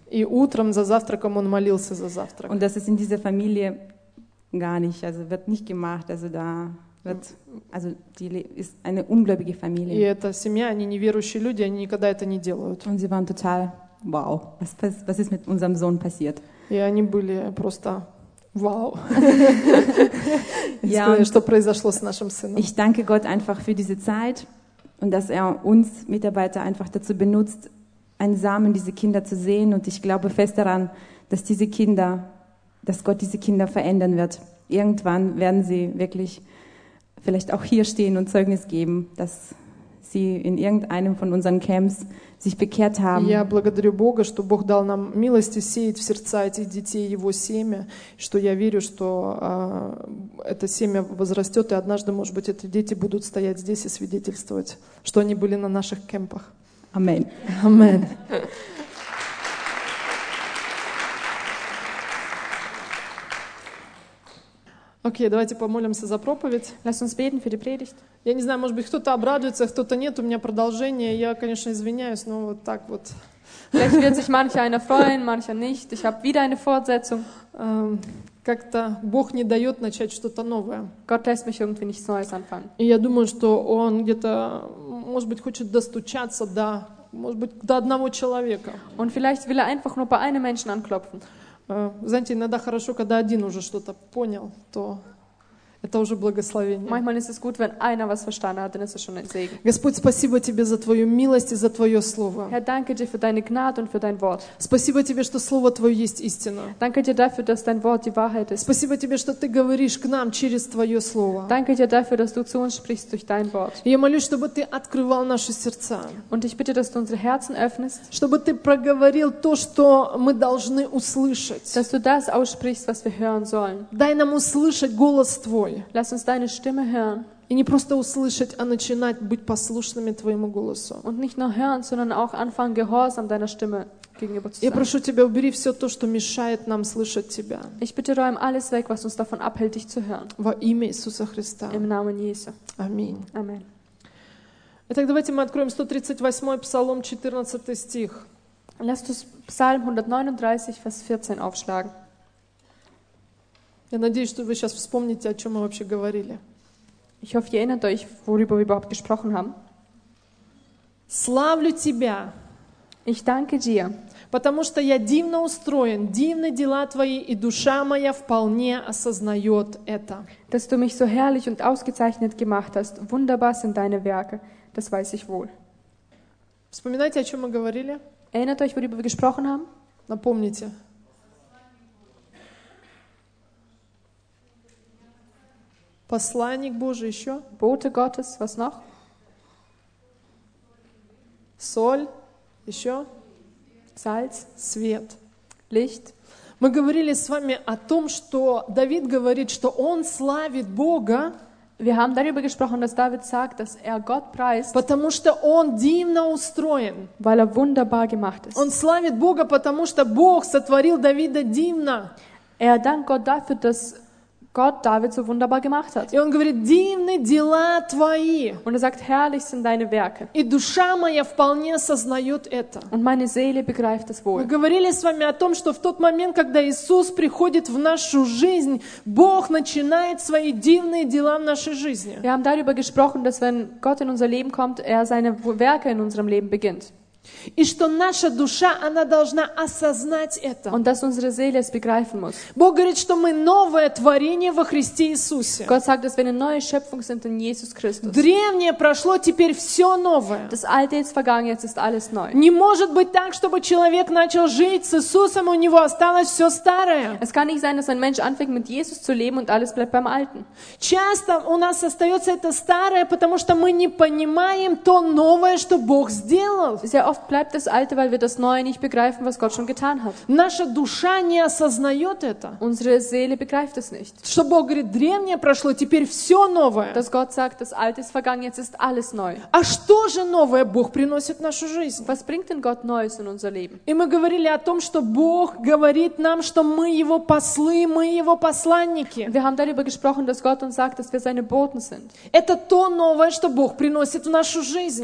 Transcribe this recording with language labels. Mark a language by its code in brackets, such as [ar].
[ru] И утром за завтраком он молился за завтрак. [de] Und das ist in dieser Familie gar nicht, also wird nicht gemacht, also da wird, also die ist eine ungläubige Familie. [ru] И эта семья, они неверующие люди, они никогда это не делают. [de] Und sie waren total, wow, was ist mit unserem Sohn passiert? [ru] И они были просто... Wow. Ja, что произошло с нашим сыном? [de] Ich danke Gott einfach für diese Zeit und dass er uns Mitarbeiter einfach dazu benutzt, einen Samen diese Kinder zu sehen und ich glaube fest daran, dass Gott diese Kinder verändern wird. Irgendwann werden sie wirklich vielleicht auch hier stehen und Zeugnis geben, dass sie in irgendeinem von unseren Camps sich bekehrt haben. [ru] Я благодарю Бога, что Бог дал нам милости сеять в сердца этих детей Его семя, что я верю, что это семя возрастет, и однажды, может быть, эти дети будут стоять здесь и свидетельствовать, что они были на наших кемпах. Аминь. Аминь. Окей, давайте помолимся за проповедь. [de] Lass uns beten für die Predigt. [ru] Я не знаю, может быть, кто-то обрадуется, кто-то нет. У меня продолжение. Я, конечно, извиняюсь, но вот так вот. [de] Vielleicht wird sich mancher einer freuen, mancher nicht. Ich habe wieder eine Fortsetzung. [ru] Как-то Бог не дает начать что-то новое. [de] Gott lässt mich irgendwie nichts Neues anfangen. [ru] И я думаю, что он где-то, может быть, хочет достучаться до, может быть, до одного человека. [de] Und vielleicht will er einfach nur bei einem Menschen anklopfen. [ru] Знаете, иногда хорошо, когда один уже что-то понял, то... Это уже благословение. [de] Manchmal ist es gut, wenn einer was verstanden hat, dann ist es schon ein Segen. [ru] Господь, спасибо тебе за твою милость и за твое слово. [de] Herr, danke dir für deine Gnade und für dein Wort. [ru] Спасибо тебе, что слово твое есть истина. [de] Danke dir dafür, dass dein Wort die Wahrheit ist. [ru] Спасибо тебе, что ты говоришь к нам через твое слово. [de] Danke dir dafür, dass du zu uns sprichst durch dein Wort. [ru] Я молюсь, чтобы ты открывал наши сердца. [de] Und ich bitte, dass du unsere Herzen öffnest. [ru] Чтобы ты проговорил то, что мы должны услышать. [de] Dass du das aussprichst, was wir hören sollen. [ru] Дай нам услышать голос твой. [de] Lass uns deine Stimme hören. [ru] И не просто услышать, а начинать быть послушными твоему голосу. [de] Und nicht nur hören, sondern auch anfangen gehorsam deiner Stimme gegenüber zu sein. [ru] Я прошу тебя, убери все то, что мешает нам слышать тебя. [de] Ich bitte, räum alles weg, was uns davon abhält, dich zu hören. [ru] Во имя Иисуса Христа. [de] Im Namen Jesu. [ru] Аминь. [de] Amen. [ru] Итак, давайте мы откроем 138-й Псалом, 14 стих. [de] Lass uns Psalm 139, Vers 14 aufschlagen. [ru] Я надеюсь, что вы сейчас вспомните, о чем мы вообще говорили. [de] Ich hoffe, ihr erinnert euch, worüber wir überhaupt gesprochen haben. [ru] Славлю тебя. [de] Ich danke dir. [ru] Потому что я дивно устроен, дивны дела твои, и душа моя вполне осознает это. [de] Dass du mich so herrlich und ausgezeichnet gemacht hast, wunderbar sind deine Werke, das weiß ich wohl. [ru] Вспоминайте, о чем мы говорили? [de] Erinnert euch, worüber wir gesprochen haben? [ru] Напомните. Посланник Божий еще? [de] Bote Gottes, was noch? [ru] Соль еще? [de] Salz, [ru] свет, [de] Licht. [ru] Мы говорили с вами о том, что Давид говорит, что он славит Бога. [de] Wir haben darüber gesprochen, dass David sagt, dass Gott preist. [ru] Потому что он дивно устроен. [de] Weil wunderbar gemacht ist. [ru] Он славит Бога, потому что Бог сотворил Давида дивно. [de] Dankt Gott dafür, dass Gott David so wunderbar gemacht hat. [ru] И он говорит, дивны дела твои. [de] Und sagt, herrlich sind deine Werke. [ru] И душа моя вполне осознает это. [de] Und meine Seele begreift es wohl. [ru] Мы говорили с вами о том, что в тот момент, когда Иисус приходит в нашу жизнь, Бог начинает свои дивные дела в нашей жизни. [de] Wir haben darüber gesprochen, dass wenn Gott in unser Leben kommt, seine Werke in unserem Leben beginnt. [ru] И что наша душа, она должна осознать это. [de] Und dass unsere Seele es begreifen muss. [ru] Бог говорит, что мы новое творение во Христе Иисусе. [de] Gott sagt, dass wir eine neue Schöpfung sind in Jesus Christus. [ru] Древнее прошло, теперь все новое. [de] Das Alte ist vergangen, jetzt ist alles neu. [ru] Не может быть так, чтобы человек начал жить с Иисусом, у него осталось все старое. [de] Es kann nicht sein, dass ein Mensch anfängt mit Jesus zu leben und alles bleibt beim Alten. [ru] Часто у нас остается это старое, потому что мы не понимаем то новое, что Бог сделал. [de] Oft bleibt das Alte, weil wir das Neue nicht begreifen, was Gott schon getan hat. [ru] Наша душа не осознает это. [de] Unsere Seele begreift es nicht. [ru] Что Бог говорит, древнее прошло, теперь все новое. [de] Dass Gott sagt, das Alte ist vergangen, jetzt ist alles neu. [ru] А что же новое Бог приносит в нашу жизнь? [de] Was bringt denn Gott Neues in unser Leben? [ru] И мы говорили о том, что Бог говорит нам, что мы его послы, мы его посланники. [de] Wir haben darüber gesprochen, dass Gott uns sagt, dass wir seine Boten sind. [ru] Это то новое, что Бог приносит в нашу жизнь.